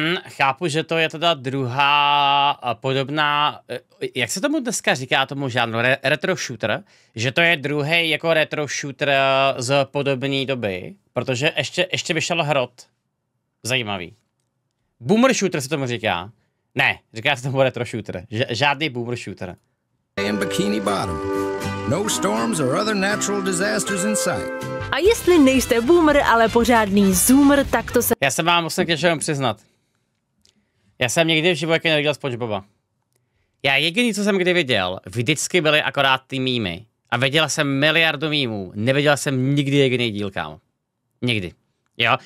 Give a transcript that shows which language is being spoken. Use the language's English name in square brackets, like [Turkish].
[Czech] Chápu, že to je teda druhá podobná, jak se tomu dneska říká tomu žánru, retro shooter, že to je druhý jako retro shooter z podobné doby, protože ještě vyšel Hrot, zajímavý. Boomer shooter se tomu říká, ne, říká se tomu retro shooter, žádný boomer shooter. [English] In Bikini Bottom. No storms or other natural disasters in sight. [Czech] A jestli nejste boomer, ale pořádný zoomer, tak to se... Já se vám musím k něčemu přiznat. Já jsem nikdy v životě neviděl SpongeBoba. Já jediný, co jsem kdy viděl, vždycky byly akorát ty mýmy. A viděl jsem miliardu mýmů. Neviděl jsem nikdy jediný díl, kámo. Nikdy. Jo?